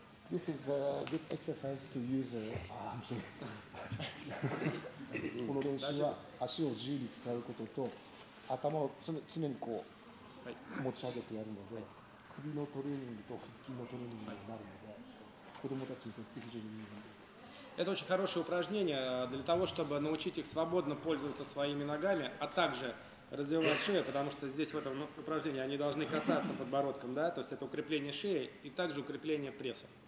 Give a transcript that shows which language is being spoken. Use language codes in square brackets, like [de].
[en] This is a good exercise to use arms. [ja] この練習は足を自由に使うことと頭を常にこう持ち上げてやるので、首のトレーニングと腹筋のトレーニングになるので、子供たちにとって非常にいいです。 [ru] Это очень хорошее упражнение для того, чтобы научить их свободно пользоваться своими ногами, а также развивать шею, потому что здесь в этом упражнении они должны касаться подбородком, да, то есть это укрепление шеи и также укрепление пресса.